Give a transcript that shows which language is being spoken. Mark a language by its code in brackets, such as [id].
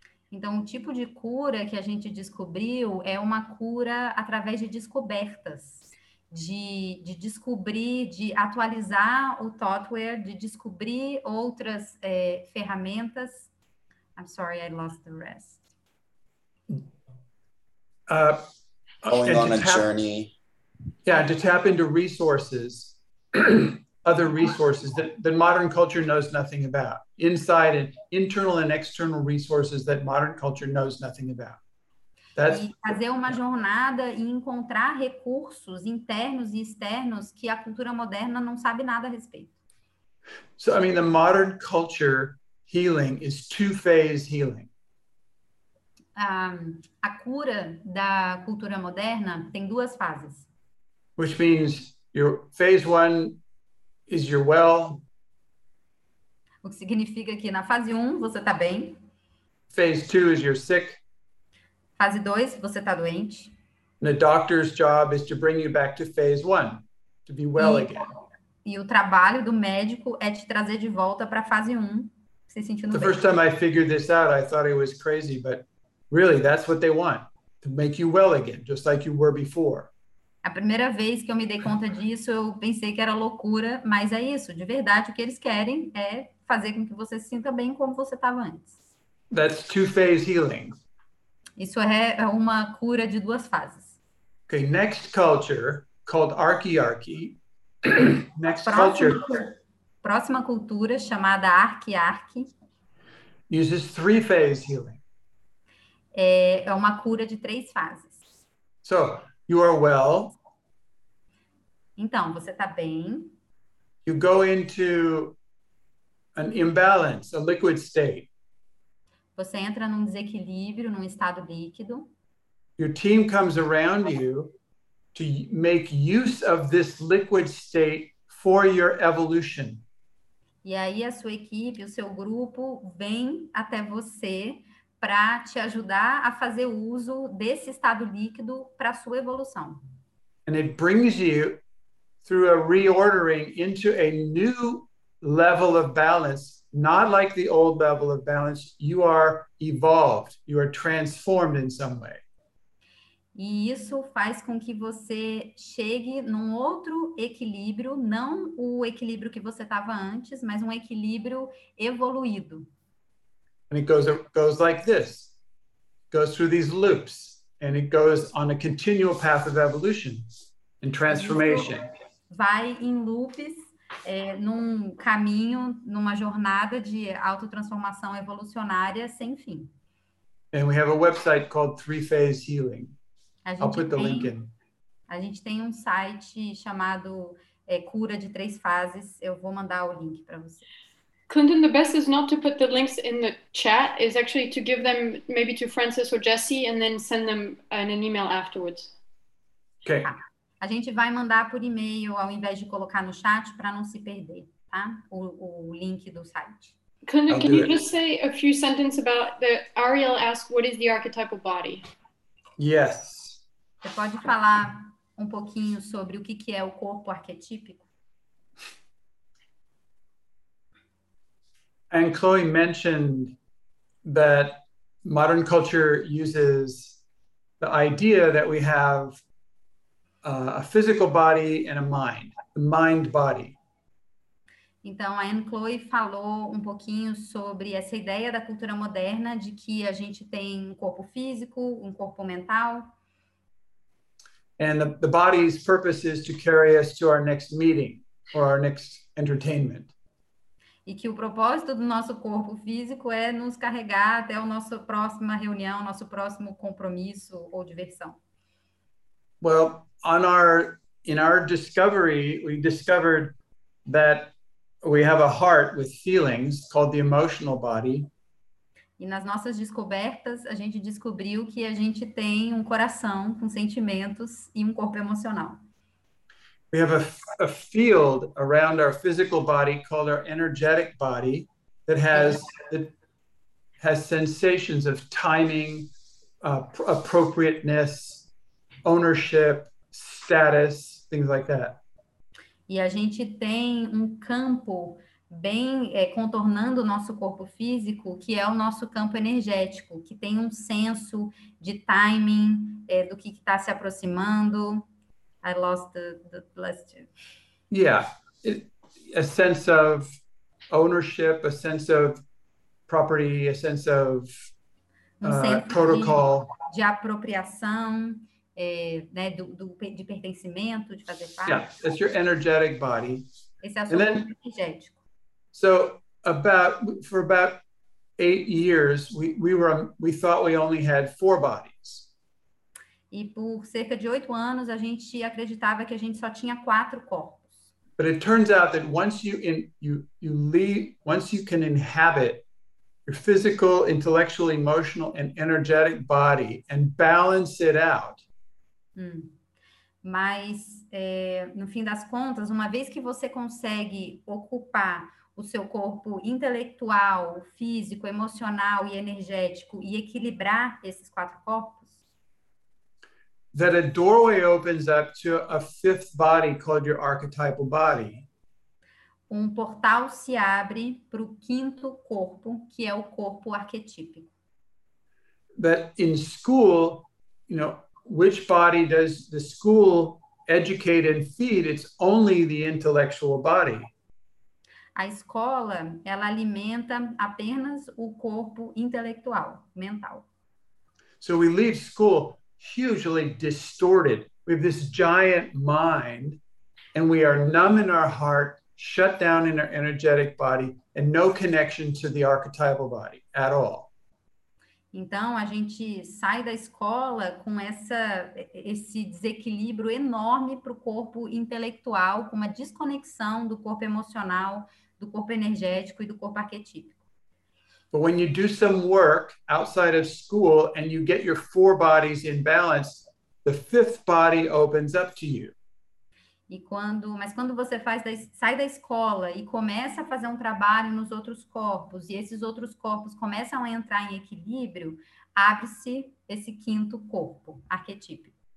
[pt] Então, o tipo de cura que a gente descobriu é uma cura através de descobertas, de descobrir, de atualizar o thoughtware, de descobrir outras ferramentas. [en] I'm sorry, I lost the rest. Going on a journey. Yeah, to tap into resources, other resources that modern culture knows nothing about. Inside and internal and external resources that modern culture knows nothing about. That's, [pt] e fazer uma jornada e encontrar recursos internos e externos que a cultura moderna não sabe nada a respeito. [en] So, I mean, the modern culture healing is two-phase healing. [pt] A cura da cultura moderna tem duas fases. [en] Which means your phase one is you're well. [pt] O que significa que na fase 1 você tá bem. [en] Phase 2 is you're sick. [pt] Fase 2 você tá doente. [en] And the doctor's job is to bring you back to phase 1, to be well again. [pt] E o trabalho do médico é te trazer de volta para fase 1, se sentindo bem. [en] The first time I figured this out, I thought it was crazy, but really that's what they want, to make you well again, just like you were before. [pt] A primeira vez que eu me dei conta disso, eu pensei que era loucura, mas é isso, de verdade o que eles querem é fazer com que você se sinta bem como você estava antes. [en] That's two-phase healing. [pt] Isso é uma cura de duas fases. [en] Okay, next culture, called archaearchy. Next culture. [pt] Próxima cultura, chamada archaearchy. [en] Uses three-phase healing. [pt] É uma cura de três fases. [en] So, you are well. [pt] Então, você está bem. [en] You go into an imbalance, a liquid state. [pt] Você entra num desequilíbrio, num estado líquido. [en] Your team comes around you to make use of this liquid state for your evolution. [pt] E aí a sua equipe, o seu grupo vem até você para te ajudar a fazer uso desse estado líquido para sua evolução. [en] And it brings you through a reordering into a new level of balance, not like the old level of balance, you are evolved, you are transformed in some way. [pt] E isso faz com que você chegue num outro equilíbrio, não o equilíbrio que você estava antes, mas um equilíbrio evoluído. [en] And it goes like this. It goes through these loops, and it goes on a continual path of evolution and transformation. [pt] Vai em loops. Num caminho, numa jornada de autotransformação evolucionária sem fim. [en] And we have a website called Three Phase Healing. I'll put the link in. [pt] A gente tem um site chamado Cura de Três Fases. Eu vou mandar o link para você. [en] Clinton, the best is not to put the links in the chat, is actually to give them maybe to Francis or Jesse and then send them an email afterwards. Okay. [pt] A gente vai mandar por e-mail ao invés de colocar no chat para não se perder, tá? O link do site. [en] Can you just say a few sentences about the Ariel asked, what is the archetypal body? Yes. [pt] Você pode falar um pouquinho sobre o que que é o corpo arquetípico? [en] And Chloe mentioned that modern culture uses the idea that we have a physical body and a mind, the mind-body. [pt] Então, a Anne Chloe falou um pouquinho sobre essa ideia da cultura moderna de que a gente tem um corpo físico, um corpo mental. [en] And the body's purpose is to carry us to our next meeting or our next entertainment. [pt] E que o propósito do nosso corpo físico é nos carregar até a nossa próxima reunião, nosso próximo compromisso ou diversão. [en] Well, on our, in our discovery, we discovered that we have a heart with feelings called the emotional body. [pt] E nas nossas descobertas, a gente descobriu que a gente tem um coração com sentimentos e um corpo emocional. [en] We have a field around our physical body called our energetic body that has sensations of timing, appropriateness, ownership, status, things like that. [pt] E a gente tem um campo bem contornando o nosso corpo físico, que é o nosso campo energético, que tem um senso de timing, do que está se aproximando. [en] I lost the last two. Yeah, a sense of ownership, a sense of property, a sense of protocol. [pt] De apropriação, né, de pertencimento, de fazer parte. [en] Yeah, that's your energetic body. [pt] Esse é o seu energético. [en] So for about 8 years we thought we only had 4 bodies. [pt] E por cerca de 8 anos a gente acreditava que a gente só tinha 4 corpos. [en] But it turns out that once you can inhabit your physical, intellectual, emotional and energetic body and balance it out. [pt] Mas no fim das contas, uma vez que você consegue ocupar o seu corpo intelectual, físico, emocional e energético e equilibrar esses 4 corpos. [en] That a doorway opens up to a fifth body called your archetypal body. [pt] Um portal se abre para o quinto corpo, que é o corpo arquetípico. [en] That in school, you know, which body does the school educate and feed? It's only the intellectual body. [pt] A escola, ela alimenta apenas o corpo intelectual, mental. [en] So we leave school hugely distorted. We have this giant mind and we are numb in our heart, shut down in our energetic body and no connection to the archetypal body at all. [pt] Então, a gente sai da escola com esse desequilíbrio enorme para o corpo intelectual, com uma desconexão do corpo emocional, do corpo energético e do corpo arquetípico. [en] But when you do some work outside of school and you get your 4 bodies in balance, the fifth body opens up to you. [pt] Mas quando você sai da escola e começa a fazer um trabalho nos outros corpos e esses outros corpos começam a entrar em equilíbrio, abre-se esse quinto corpo arquetípico.